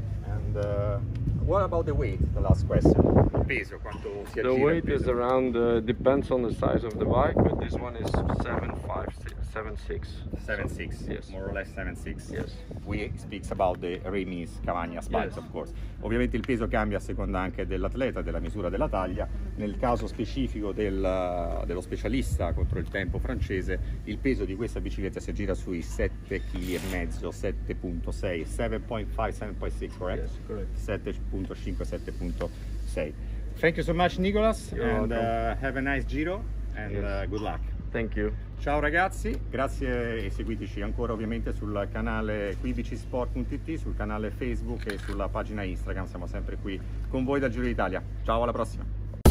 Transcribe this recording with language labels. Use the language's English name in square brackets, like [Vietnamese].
[English] And what about the weight? The last question. [Italian] Peso, quanto si [English] the weight is around, depends on the size of the bike, but this one is 7.6. Yes. More or less 7.6. Yes. We speak about the Rémi's Cavagnat bike, yes, of course. [Italian] Ovviamente il peso cambia a seconda anche dell'atleta, della misura, della taglia. Nel caso specifico dello specialista contro il tempo francese, il peso di questa bicicletta si aggira sui 7.5, 7.6, correct? [English] Yes, correct. 7.5, 7.6. Thank you so much, Nicolas. You're and welcome. Have a nice giro and good luck. Thank you. [Italian] Ciao ragazzi, grazie, e seguiteci ancora ovviamente sul canale QuiBiciSport.it, sul canale Facebook e sulla pagina Instagram. Siamo sempre qui con voi dal Giro d'Italia. Ciao, alla prossima.